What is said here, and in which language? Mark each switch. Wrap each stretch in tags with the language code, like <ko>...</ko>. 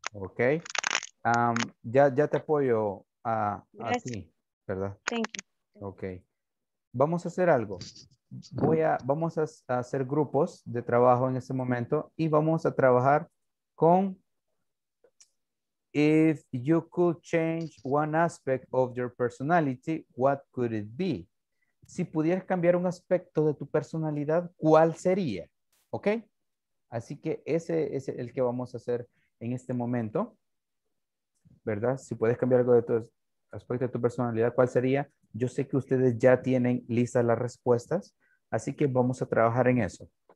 <es>Ok. Ya te apoyo. A ti, ¿verdad?</es> <en>Thank you.</en> <es>Ok. Vamos a hacer algo. Vamos a hacer grupos de trabajo en este momento y vamos a trabajar con</es> <en>if you could change one aspect of your personality, what could it be?</en> <es>Si pudieras cambiar un aspecto de tu personalidad, ¿cuál sería? ¿Ok? Así que ese es el que vamos a hacer en este momento. ¿Verdad? Si puedes cambiar algo de tu aspecto de tu personalidad, ¿cuál sería? Yo sé que ustedes ya tienen listas las respuestas, así que vamos a trabajar en eso.</es>